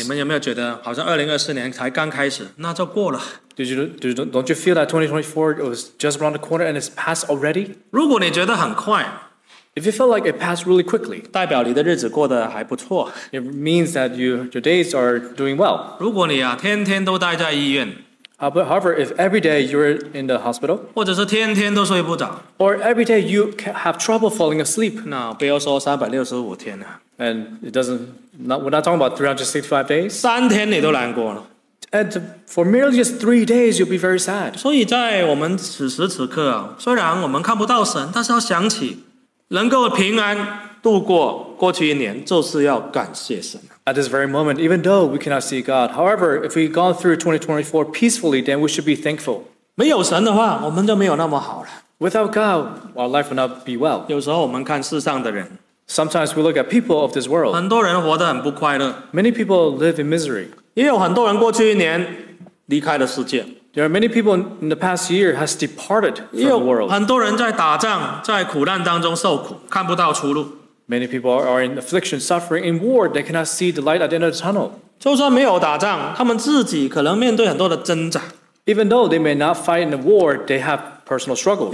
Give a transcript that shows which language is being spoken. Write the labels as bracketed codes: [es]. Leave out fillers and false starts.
[zh] 你们有没有觉得好像2024年才刚开始，那就过了。 [en] Don't you feel that 2024 was just around the corner and it's passed already? [zh] 如果你觉得很快。 [en] If you feel like it passed really quickly, [zh] 代表你的日子过得还不错。 [en] It means that your days are doing well. [zh] 如果你啊，天天都待在医院。 [en] However, if every day you're in the hospital, [zh] 或者是天天都睡不着, [en] or every day you have trouble falling asleep, [zh] 那不要说365天啊, [en] and we're not talking about 365 days, [zh] 三天你都难过了, [en] and for merely just 3 days, you'll be very sad. [zh] 所以在我们此时此刻, 虽然我们看不到神, 但是要想起, 能够平安度过过去一年, 就是要感谢神。 [en] at this very moment, even though we cannot see God. However, if we've gone through 2024 peacefully, then we should be thankful. [zh] 没有神的话, 我们就没有那么好了。 [en] Without God, our life would not be well. [zh] 有时候我们看世上的人, [en] sometimes we look at people of this world. [zh] 很多人活得很不快乐。 [en] Many people live in misery. [zh] 也有很多人过去一年, 离开了世界。 [en] There are many people in the past year has departed from the world. [zh] 很多人在打仗, 在苦难当中受苦, 看不到出路。 [en] Many people are in affliction, suffering, in war, they cannot see the light at the end of the tunnel. [zh] 就算没有打仗, 他们自己可能面对很多的挣扎。 [en] Even though they may not fight in the war, they have personal struggles.